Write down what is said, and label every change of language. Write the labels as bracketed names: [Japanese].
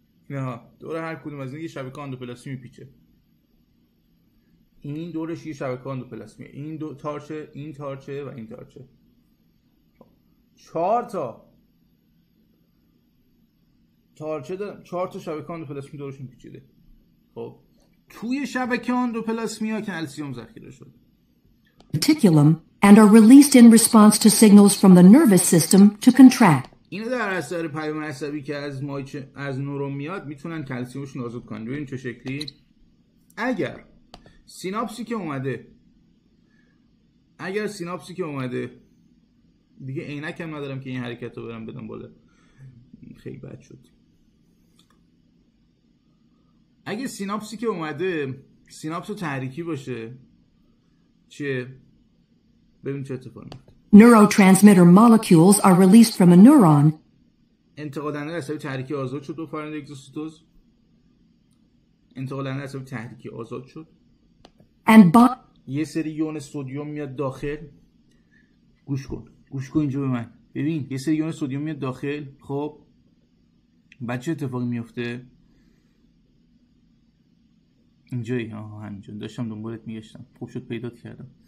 [Persian] نه دور هر کدوم از این یه شبکه اندوپلاسمی پیچه. این دورش یه شبکه اندوپلاسمی، این دو تارچه، این تارچه و این تارچه. چهار تا تارچه دارم، چهار تا شبکه اندوپلاسمی دورشون پیچیده. خب توی شبکه اندوپلاسمی ها کلسیم ذخیره شده. [English] Reticulum and are released in response to signals from the nervous system to contract. [Persian] اینا در اثر پیام عصبی که از مایچه از نورون میاد میتونن کلسیمشون آزاد کنن. ببین چه شکلی. اگر سیناپسی که اومده، اگر سیناپسی که اومده دیگه عینک هم ندارم که این حرکت رو برم بدم بالا، خیلی بد شد. اگر سیناپسی که اومده سیناپس تحریکی باشه چه ببینیم چه اتفاق میفته. [English] Neurotransmitter molecules are released from a neuron. [Persian] انتقال دهنده عصبی تحریکی آزاد شد و فرآیند اگزوسیتوز. انتقال دهنده عصبی تحریکی آزاد شد. [English] And [Persian] یه سری یون سدیم میاد داخل. گوش کن، گوش کن اینجا به من. ببین یه سری یون سدیم میاد داخل. خب بعد چه اتفاقی میفته؟ اینجایی آها همینجون داشتم دنبالت میگشتم، خوب شد پیدات کردم.